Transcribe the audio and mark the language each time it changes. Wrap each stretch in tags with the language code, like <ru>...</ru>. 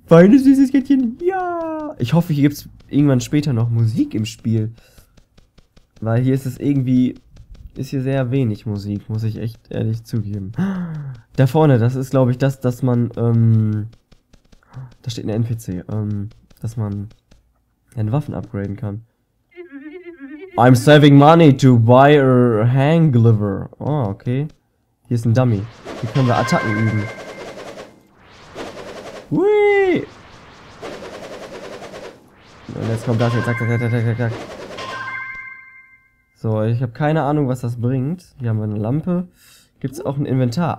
<de>Feines süßes Kätzchen! Ja! Ich hoffe, hier gibt's irgendwann später noch Musik im Spiel. Weil hier ist es irgendwie... Ist hier sehr wenig Musik, muss ich echt ehrlich zugeben. Da vorne, das ist, glaube ich, das, dass man, da steht ein NPC, dass man den Waffen upgraden kann.</de> <en>I'm saving money to buy a hangliver.</en> <de>Oh, okay. Hier ist ein Dummy. Hier können wir Attacken üben. Hui! Und jetzt kommt das hier. Zack, zack, zack, zack, zack, zack. So, ich habe keine Ahnung, was das bringt. Hier haben wir eine Lampe. Gibt's auch ein Inventar?</de>